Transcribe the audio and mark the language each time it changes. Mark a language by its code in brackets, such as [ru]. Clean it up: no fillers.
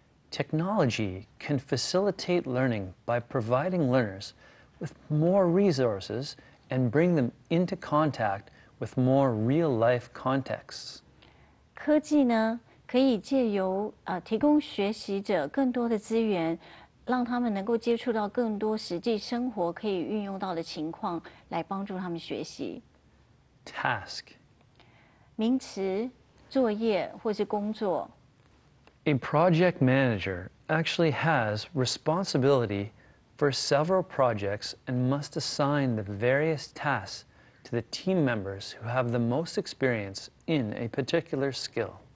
[en] Technology can facilitate learning by providing learners with more resources and bring them into contact with more real-life contexts. [zh] 科技呢，可以借由提供学习者更多的资源，让他们能够接触到更多实际生活可以运用到的情况，来帮助他们学习。Task. 名词，作业或是工作。 [en] A project manager actually has responsibility for several projects and must assign the various tasks to the team members who have the most experience in a particular skill.